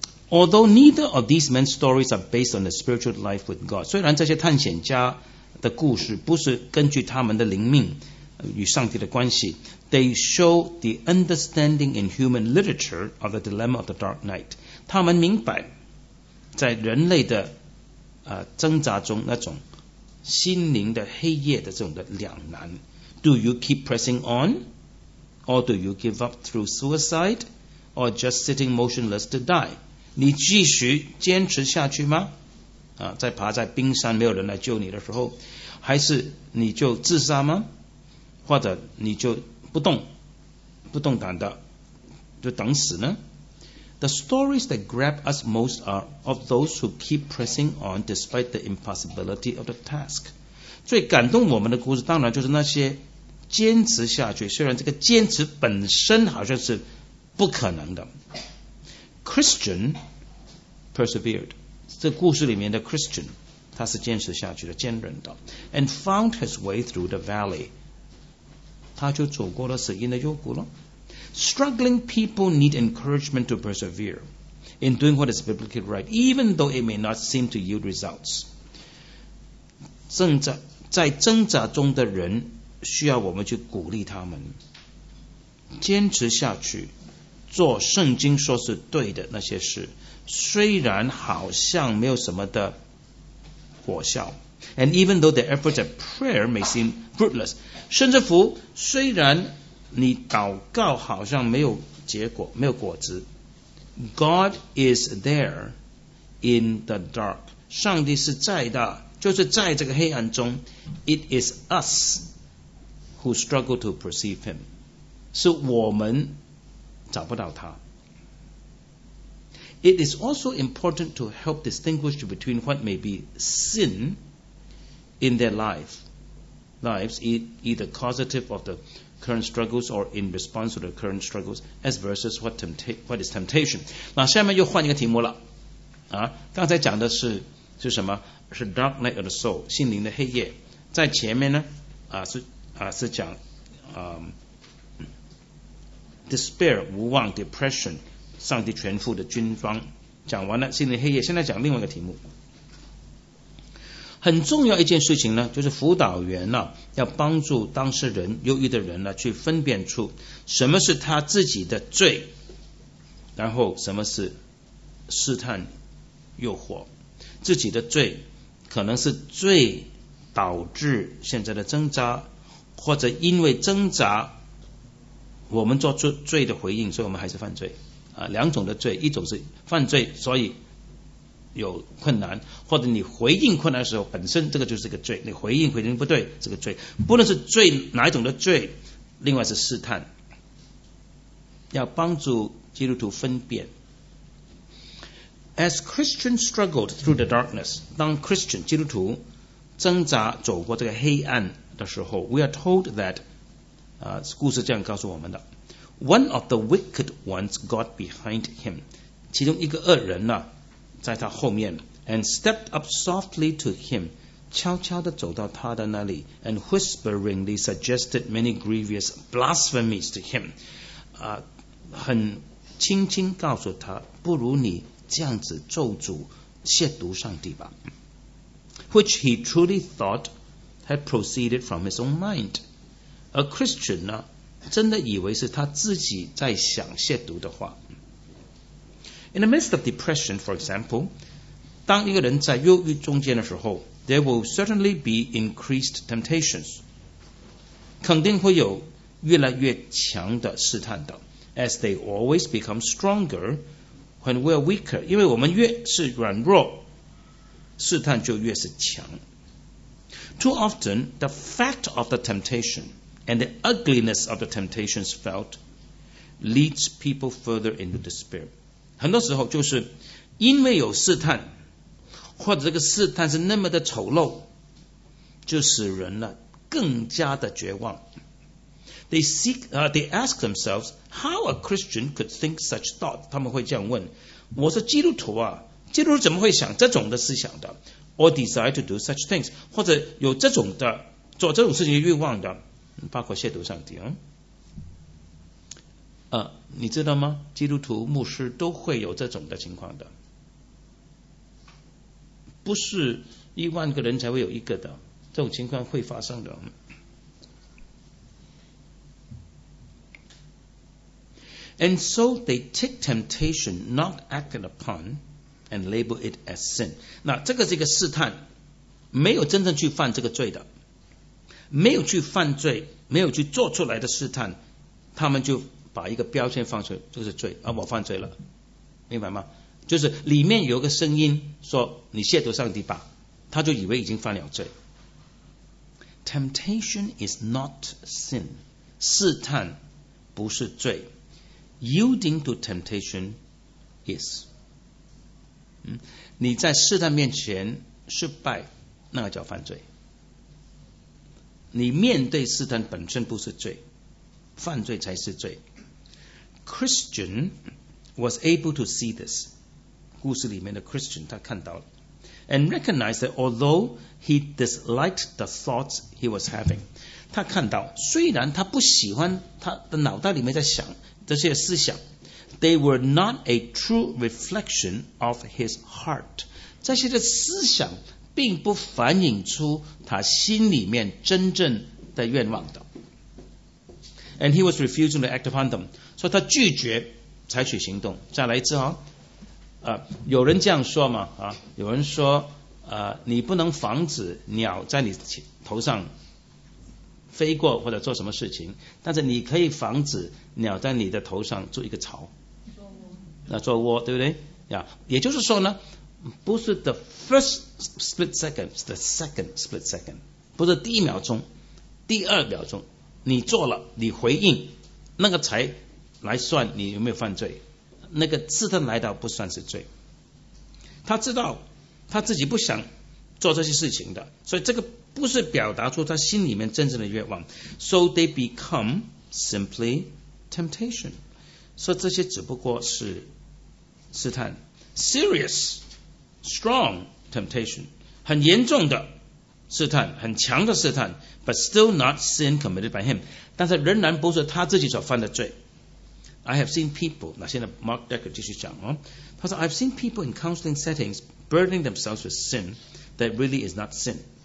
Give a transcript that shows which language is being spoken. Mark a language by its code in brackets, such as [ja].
[en] Although neither of these men's stories are based on the spiritual life with God [zh] 虽然这些探险家的故事不是根据他们的灵命与上帝的关系 [en] They show the understanding in human literature of the dilemma of the dark night [zh] 他们明白在人类的、挣扎中那种心灵的黑夜的这种的两难。 [en] Do you keep pressing on? Or do you give up through suicide? Or just sitting motionless to die? [zh] 你继续坚持下去吗？在爬在冰山没有人来救你的时候，还是你就自杀吗？或者你就不动弹的就等死呢？ [en] The stories that grab us most are of those who keep pressing on despite the impossibility of the task. [zh] 最感动我们的故事当然就是那些坚持下去，虽然这个坚持本身好像是不可能的。 [en] Christian persevered. [zh] 这故事里面的 Christian 他是坚持下去的，坚忍的。 [en] And found his way through the valley. [zh] 他就走过了死荫的幽谷了。 [en] Struggling people need encouragement to persevere in doing what is biblically right, even though it may not seem to yield results. [zh] 在挣扎中的人需要我们去鼓励他们，坚持下去，做圣经说是对的那些事，虽然好像没有什么的果效。 [en] And even though the efforts at prayer may seem fruitless, [zh] 甚至乎虽然你祷告好像没有结果，没有果子。 [en] God is there in the dark. [zh] 上帝是在的，就是在这个黑暗中。 [en] It is us who struggle to perceive him. [zh] 是我们找不到他。 [en] It is also important to help distinguish between what may be sin in their lives, either causative of the current struggles or in response to the current struggles as versus what is temptation. [zh] 那下面又换一个题目了。刚才讲的是什么？是 [en] dark night of the soul, [zh] 心灵的黑夜。在前面呢是讲despair, 无望 depression, 上帝全副的军装。讲完了心灵黑夜，现在讲另外一个题目。很重要一件事情呢，就是辅导员呢，要帮助当事人忧郁的人呢，去分辨出什么是他自己的罪，然后什么是试探诱惑。自己的罪可能是罪导致现在的挣扎，或者因为挣扎我们做出罪的回应，所以我们还是犯罪。两种的罪，一种是犯罪所以有困难，或者你回应困难的时候本身这个就是个罪，你回应不对，这个罪不论是罪哪一种的罪，另外是试探，要帮助基督徒分辨。 [en] As Christians struggled through the darkness, [zh] 当 Christian 基督徒挣扎走过这个黑暗的时候， [en] We are told that [zh] 故事这样告诉我们的， [en] One of the wicked ones got behind him, [zh] 其中一个恶人呢在他后面， [en] and stepped up softly to him, [zh] 悄悄地走到他的那里， [en] and whisperingly suggested many grievous blasphemies to him. [zh] 很轻轻告诉他，不如你这样子咒诅亵渎上帝吧。 [en] Which he truly thought had proceeded from his own mind. [zh] A Christian 呢，真的以为是他自己在想亵渎的话。 [en] In the midst of depression, for example, [zh] 当一个人在忧郁中间的时候， [en] there will certainly be increased temptations. [zh] 肯定会有越来越强的试探的， [en] as they always become stronger when we are weaker. [zh] 因为我们越是软弱，试探就越是强。 [en] Too often, the fact of the temptation and the ugliness of the temptations felt leads people further into despair. [zh] 很多时候就是因为有试探，或者这个试探是那么的丑陋，就使人呢更加的绝望。 [en] They ask themselves how a Christian could think such thought. [zh] 他们会这样问：我是基督徒啊，基督徒怎么会想这种的思想的 [en] ？Or desire to do such things， [zh] 或者有这种的做这种事情的欲望的，包括亵渎上帝啊。你知道吗？基督徒牧师都会有这种的情况的，不是一万个人才会有一个的，这种情况会发生的。 [en] And so they take temptation not acted upon and label it as sin. [zh] 那这个是一个试探，没有真正去犯这个罪的，没有去犯罪，没有去做出来的试探，他们就把一个标签放出来，就是罪啊，我犯罪了，明白吗？就是里面有个声音说你亵渎上帝吧，他就以为已经犯了罪。 [en] Temptation is not sin， [zh] 试探不是罪， [en] Yielding to temptation is、 [zh] 你在试探面前失败，那个叫犯罪。你面对试探本身不是罪，犯罪才是罪。 [en] Christian was able to see this， [zh] 故事里面的 Christian 他看到了， [en] and recognized that although he disliked the thoughts he was having， [zh] 他看到虽然他不喜欢他的脑袋里面在想这些思想， [en] they were not a true reflection of his heart， [zh] 这些的思想并不反映出他心里面真正的愿望的。 [en] And he was refusing to act upon them， [zh] 所以他拒绝采取行动。再来一次、有人这样说嘛、有人说、你不能防止鸟在你头上飞过或者做什么事情，但是你可以防止鸟在你的头上做一个巢，做窝，对不对、也就是说呢，不是 [en] the first split second， [zh] 是 [en] the second split second， [zh] 不是第一秒钟，第二秒钟你做了，你回应，那个才来算你有没有犯罪，那个试探来到不算是罪。他知道他自己不想做这些事情的，所以这个不是表达出他心里面真正的愿望。 [en] So they become simply temptation， [zh] 所以这些只不过是试探。 [en] Serious strong temptation， [zh] 很严重的试探，很强的试探， [en] but still not sin committed by him， [zh] 但是仍然不是他自己所犯的罪。 [en] I have seen people， [zh] 那现在 Mark Decker 继续讲、他说 [en] I've seen people in counseling settings burdening themselves with sin that really is not sin。